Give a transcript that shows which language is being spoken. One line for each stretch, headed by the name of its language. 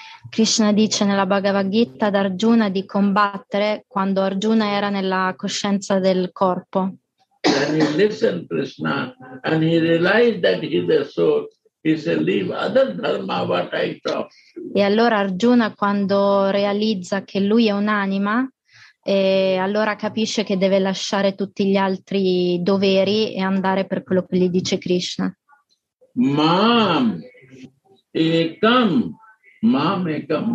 Italian: Krishna dice nella Bhagavad Gita ad Arjuna di combattere quando Arjuna era nella coscienza del corpo.
English: Then he listened to Krishna and he realized that he is a soul. He said, leave other dharma what I talk.
Italian: E allora Arjuna quando realizza che lui è un'anima, allora capisce che deve lasciare tutti gli altri doveri e andare per quello che gli dice Krishna.
Sanskrit: Mam ekam. Mam ekam.